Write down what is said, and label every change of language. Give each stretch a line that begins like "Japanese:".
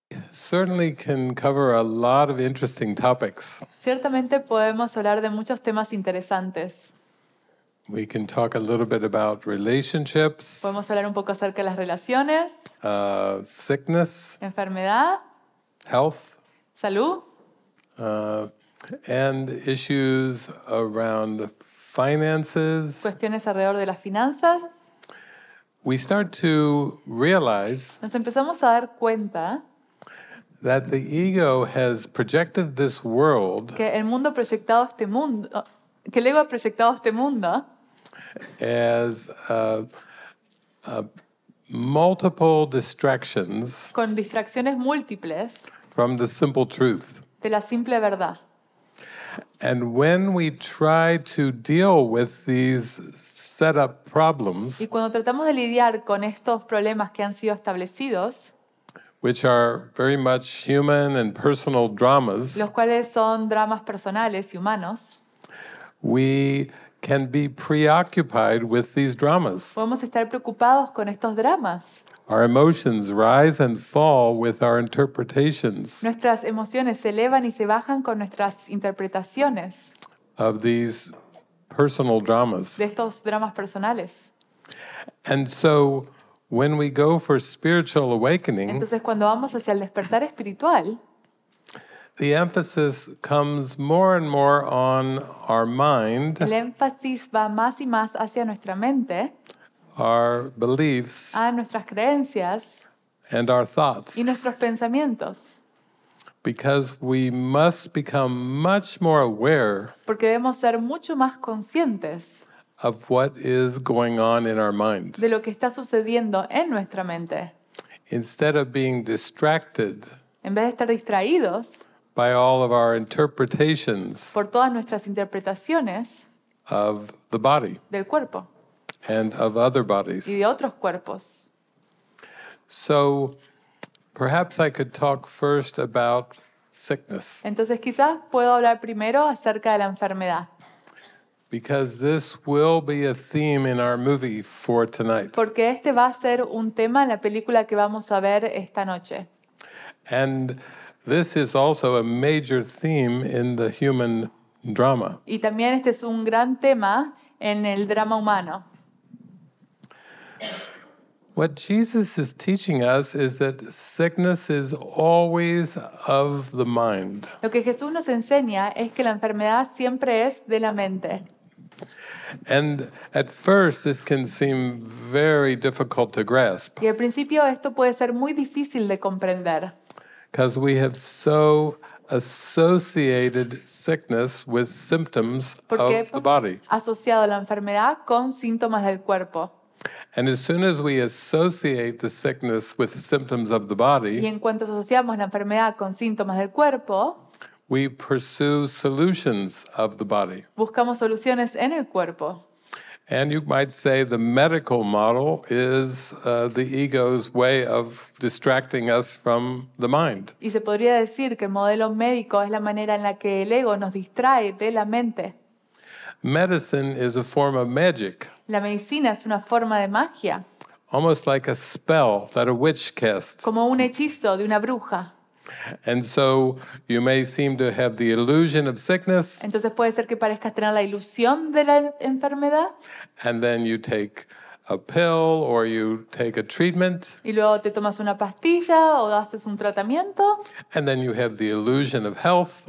English: Certainly can cover a lot of interesting topics.
Spanish: Ciertamente podemos hablar de muchos temas interesantes.
English: We can talk a little bit about relationships.
Spanish: Podemos hablar un poco acerca de las relaciones.
English: Sickness.
Spanish: Enfermedad.
English: Health.
Spanish: Salud.
English: And issues around finances.
Spanish: Cuestiones alrededor de las finanzas.
English: We start to realize.
Spanish: Nos empezamos a dar cuenta.
English: That the ego has projected this world.
Spanish: Que el mundo ha proyectado este mundo. Que el ego ha proyectado este mundo.
English: As multiple distractions
Spanish: con distracciones múltiples
English: from the simple truth.
Spanish: De la simple verdad.
English: And when we try to deal with these set up problems,
Spanish: y cuando tratamos de lidiar con estos problemas que han sido establecidos,
English: which are very much human and personal dramas,
Spanish: los cuales son dramas personales y humanos,
English: we can be preoccupied with these dramas.
Spanish: Podemos estar preocupados con estos dramas.
English: Our emotions rise and fall with our interpretations.
Spanish: Nuestras emociones se elevan y se bajan con nuestras interpretaciones.
English: Of these personal dramas.
Spanish: De estos dramas personales.
English: And so, when we go for spiritual awakening,
Spanish: entonces cuando vamos hacia el despertar espiritual,
English: the emphasis comes more and more on our mind.
Spanish: El énfasis va más y más hacia nuestra mente.
English: Our beliefs.
Spanish: A nuestras creencias.
English: And our thoughts.
Spanish: Y nuestros pensamientos.
English: Because we must become much more aware.
Spanish: Porque debemos ser mucho más conscientes.
English: Of what is going on in our mind.
Spanish: De lo que está sucediendo en nuestra mente.
English: Instead of being distracted.
Spanish: En vez de estar distraídos.
English: By all of our interpretations,
Spanish: por todas nuestras interpretaciones,
English: of the body,
Spanish: del cuerpo,
English: and of other bodies,
Spanish: y de otros cuerpos.
English: So, perhaps I could talk first about sickness.
Spanish: Entonces, quizás puedo hablar primero acerca de la enfermedad.
English: Because this will be a theme in our movie for tonight.
Spanish: Porque este va a ser un tema en la película que vamos a ver esta noche.
English: And this is also a major theme in the human drama.
Spanish: Y también este es un gran tema en el drama humano.
English: What Jesus is teaching us is that sickness is always of the mind.
Spanish: Lo que Jesús nos enseña es que la enfermedad siempre es de la mente.
English: And at first, this can seem very difficult to grasp.
Spanish: Y al principio esto puede ser muy difícil de comprender.
English: Because we have so associated sickness with symptoms of the body.
Spanish: Porque hemos asociado la enfermedad con síntomas del cuerpo.
English: And as soon as we associate the sickness with the symptoms of the body,
Spanish: y en cuanto asociamos la enfermedad con síntomas del cuerpo,
English: we pursue solutions of the body.
Spanish: Buscamos soluciones en el cuerpo.
English: And you might say the medical model is the ego's way of distracting us from the mind.
Spanish: Y se podría decir que el modelo médico es la manera en la que el ego nos distrae de la mente.
English: Medicine is a form of magic.
Spanish: La medicina es una forma de magia.
English: Almost like a spell that a witch casts.
Spanish: Como un hechizo de una bruja.
English: And so you may seem to have the illusion of sickness.
Spanish: Entonces puede ser que parezcas tener la ilusión de la enfermedad.
English: And then you take a pill or you take a treatment.
Spanish: Y luego te tomas una pastilla o haces un tratamiento.
English: And then you have the illusion of health.